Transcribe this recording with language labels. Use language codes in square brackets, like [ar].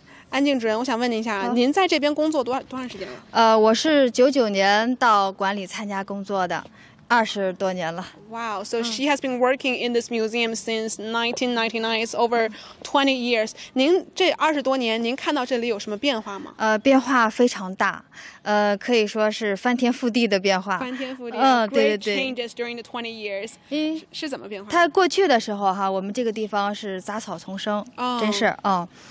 [zh] 安静主任，我想问您一下，您在这边工作多长时间了？我是99年到馆里参加工作的，20多年了。 [en] Wow. So she has been working in this museum since 1999. It's over 20 years. [zh] 您这20多年，您看到这里有什么变化吗？变化非常大。可以说是翻天覆地的变化。翻天覆地。对对对。 [en] Changes during the 20 years. [zh] 是怎么变化？它过去的时候哈，我们这个地方是杂草丛生，真是啊。